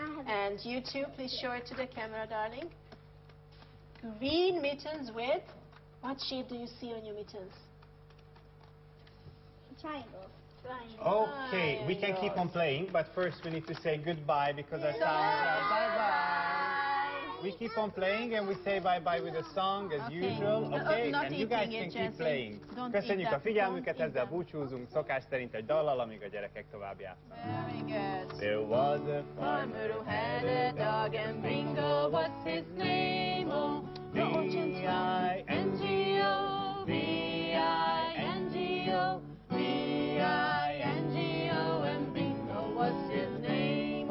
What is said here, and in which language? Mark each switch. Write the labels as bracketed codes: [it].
[en] And you too, please show it to the camera, darling. Green mittens with, what shape do you see on your mittens? Triangle. Okay, we can keep on playing, but first we need to say goodbye because our song says bye-bye. We keep on playing and we say bye-bye with a song as usual. Okay, and you guys can keep playing. [hu] Köszönjük a figyelmüket, ezzel búcsúzunk, szokás szerint egy dallal, amíg a gyerekek tovább játszanak. [en] There was a farmer who had a dog, and Bingo was his name. Oh, B-I-N-G-O, B-I-N-G-O, B-I-N-G-O, and Bingo was his name.